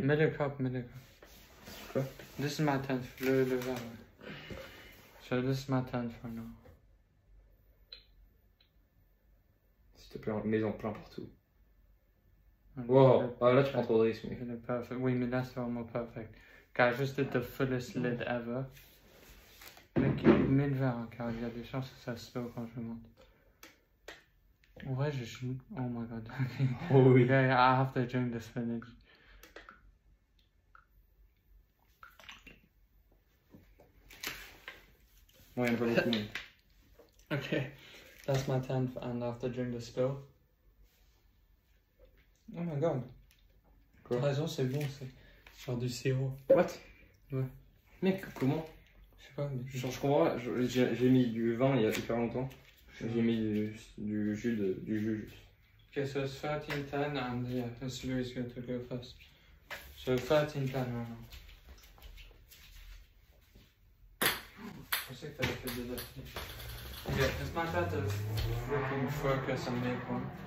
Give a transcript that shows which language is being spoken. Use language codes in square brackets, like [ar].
[fr] Mets le cap, mets le cap. Quoi? [en] This is my 10th, [fr] le verre. [en] Ouais. So this is my 10th for now. [fr] S'il te plaît, mets-en plein partout. Wow, là tu prends trop de risques, mec. Perfect. Oui, mais là c'est vraiment perfect. [en] Car I just did the fullest lid ever. [fr] Mec, mets le verre, car il y a des chances que ça se fait quand je monte. Ouais, je suis. [en] Oh my god. [fr] Oh oui. [en] Yeah, yeah, I have to drink this finish. [fr] Ouais, un peu beaucoup, mais. Ok. [en] That's my 10th, and I have to drink the spill. Oh my god. [fr] T'as raison, c'est bon, c'est. Genre du sirop. [en] What? [fr] Ouais. Mec, comment? Je sais pas, mais. Genre, je comprends, j'ai mis du vin il y a super longtemps. J'ai mis du jus de du jus. [en] Ok, so it's 13-10 and yeah, it's Louis going to go first. So 13-10 right now. [fr] Je sais que t'avais fait des affiches. [en] Ok, it's my turn to fucking focus and make one.